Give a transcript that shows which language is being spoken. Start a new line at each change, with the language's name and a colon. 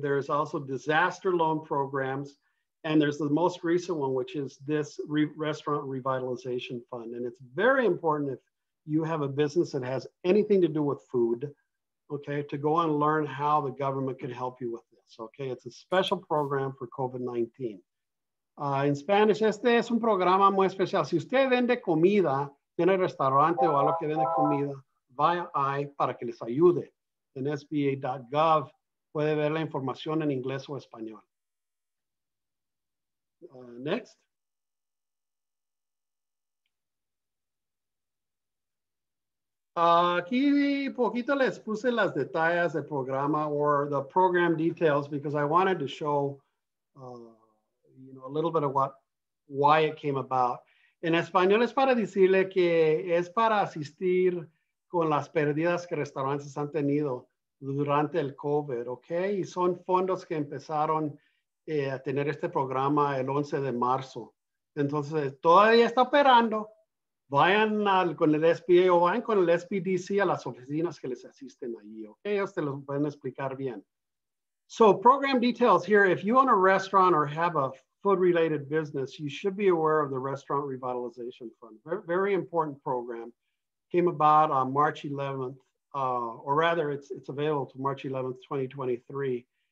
English: There's also disaster loan programs. And there's the most recent one, which is this restaurant revitalization fund. And it's very important if you have a business that has anything to do with food, okay, to go and learn how the government can help you with this, okay? It's a special program for COVID-19. In Spanish,
Spanish: este es un programa muy especial. Si usted vende comida, tiene restaurante o algo que vende comida, vaya ahí para que les ayude. En SBA.gov puede ver la información en inglés o español.
English: Next.
Spanish: Aquí poquito les puse las detalles del programa
English: or the program details because I wanted to show a little bit of why it came about.
Spanish: En español es para decirle que es para asistir con las pérdidas que restaurantes han tenido durante el COVID, okay? Y son fondos que empezaron a tener este programa el 11 de marzo. Entonces, todavía está operando. Vayan con el SBA o vayan con el SBDC a las oficinas que les asisten allí, okay? Ellos te lo pueden explicar bien.
English: So, program details here. If you own a restaurant or have a food-related business, you should be aware of the Restaurant Revitalization Fund. Very, very important program. Came about on March 11th, or rather, it's available to March 11th, 2023.